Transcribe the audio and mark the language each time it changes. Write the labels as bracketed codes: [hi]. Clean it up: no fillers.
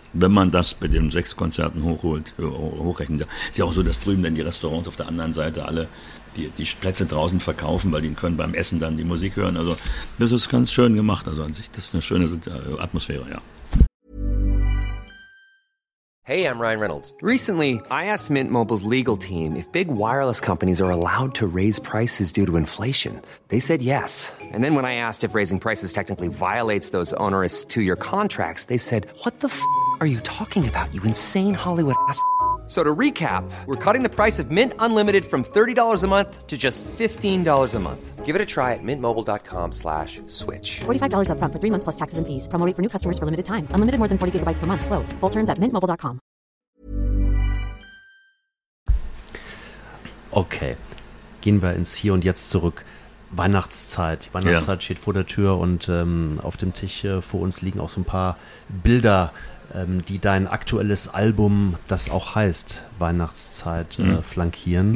[de] Wenn man das mit den 6 Konzerten hochrechnet, ist ja auch so, dass drüben dann die Restaurants auf der anderen Seite alle die Plätze draußen verkaufen, weil die können beim Essen dann die Musik hören. Also das ist ganz schön gemacht. Also an sich, das ist eine schöne Atmosphäre, ja. [en] Hey, I'm Ryan Reynolds. Recently, I asked Mint Mobile's legal team if big wireless companies are allowed to raise prices due to inflation. They said yes. And then when I asked if raising prices technically violates those onerous 2-year contracts, they said, what the f*** are you talking about, you insane Hollywood ass f***? So to recap, we're cutting the price of Mint Unlimited from $30 a month to just $15 a month. Give it a try at mintmobile.com/switch. $45 up front for 3 months plus taxes and fees. Promo rate for new customers for limited time. Unlimited more than 40 gigabytes per month. Slows full terms at mintmobile.com. [de] Okay, gehen wir ins Hier und Jetzt zurück. Weihnachtszeit. Die Weihnachtszeit steht vor der Tür und auf dem Tisch vor uns liegen auch so ein paar Bilder, die dein aktuelles Album, das auch heißt Weihnachtszeit, flankieren.